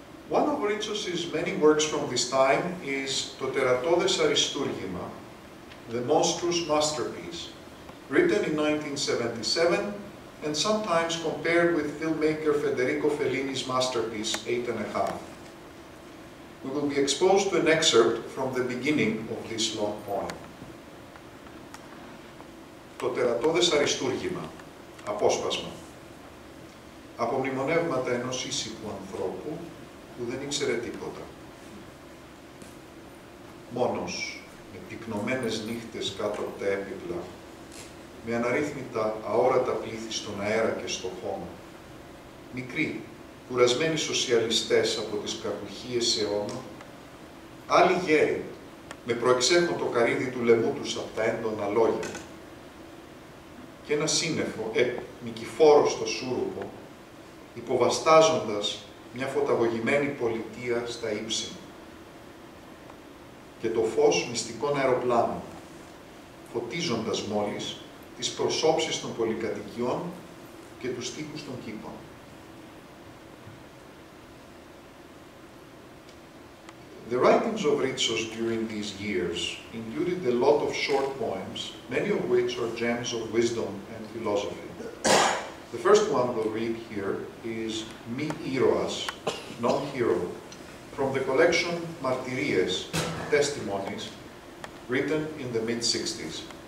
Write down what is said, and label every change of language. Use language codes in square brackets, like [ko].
[en] One of Ritsos's many works from this time is Το Τερατώδες Αριστούργημα, The Monstrous Masterpiece, written in 1977 and sometimes compared with filmmaker Federico Fellini's masterpiece, 8½. We will be exposed to an excerpt from the beginning of this long poem. [el] Το Τερατώδες Αριστούργημα, απόσπασμα. Απομνημονεύματα ενός ήσυχου ανθρώπου που δεν ήξερε τίποτα. Μόνος, με πυκνωμένες νύχτες κάτω από τα έπιπλα, με αναρρύθμιτα αόρατα πλήθη στον αέρα και στο χώμα. Μικροί, κουρασμένοι σοσιαλιστές από τις κακουχίες αιώνα, άλλοι γέροι, με προεξέχοντο καρύδι του λαιμού τους από τα έντονα λόγια. Και ένα σύννεφο, νικηφόρο στο σούρουπο, υποβαστάζοντας μια φωταγωγημένη πολιτεία στα ύψη. Και το φως μυστικών αεροπλάνων, φωτίζοντας μόλις τις προσώψεις των πολυκατοικιών και τους τοίχους των κήπων. [en] The writings of Ritsos during these years included a lot of short poems, many of which are gems of wisdom and philosophy. The first one we'll read here is Mi Iroas, Non-Hero, from the collection Martyries, Testimonies, written in the mid-60s.